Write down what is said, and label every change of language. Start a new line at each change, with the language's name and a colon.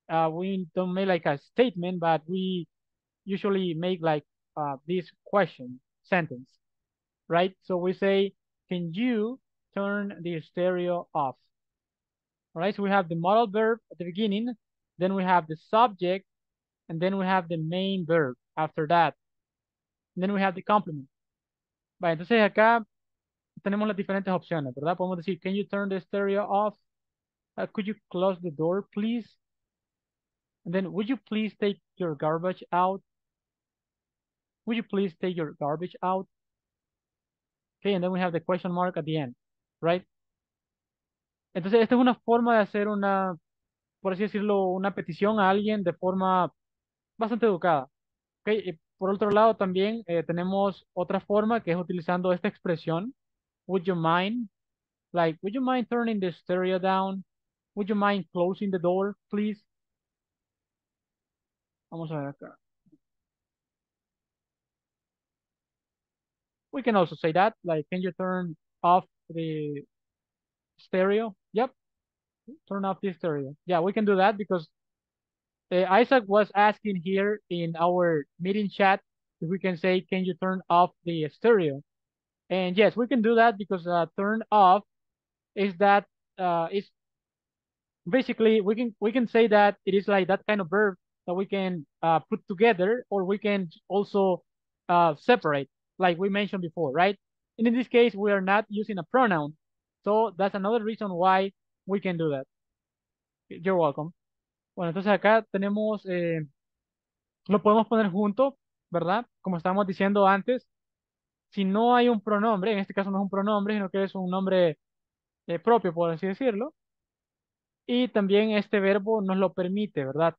English: We don't make like a statement, but we usually make like this question sentence, right? So we say, can you turn the stereo off? All right, so we have the modal verb at the beginning, then we have the subject, and then we have the main verb after that. And then we have the complement.
Spanish: Vale, entonces acá tenemos las diferentes opciones, ¿verdad? Podemos decir,
English: can you turn the stereo off? Could you close the door, please? And then, would you please take your garbage out? Would you please take your garbage out? Okay, and then we have the question mark at the end, right?
Spanish: Entonces, esta es una forma de hacer una, por así decirlo, una petición a alguien de forma bastante educada. Okay, y por otro lado, también tenemos otra forma que es utilizando esta expresión.
English: Would you mind? Like, would you mind turning the stereo down? Would you mind closing the door, please? Vamos a ver acá. We can also say that, like, can you turn off the stereo? Yep, turn off the stereo. Yeah, we can do that because Isaac was asking here in our meeting chat if we can say, can you turn off the stereo? And yes, we can do that because turn off is that, is basically, we can say that it is like that kind of verb that we can put together, or we can also separate, like we mentioned before, right? And in this case, we are not using a pronoun. So that's another reason why we can do that. You're welcome.
Spanish: Bueno, entonces acá tenemos, lo podemos poner junto, ¿verdad? Como estábamos diciendo antes, si no hay un pronombre, en este caso no es un pronombre, sino que es un nombre propio, por así decirlo. Y también este verbo nos lo permite, ¿verdad?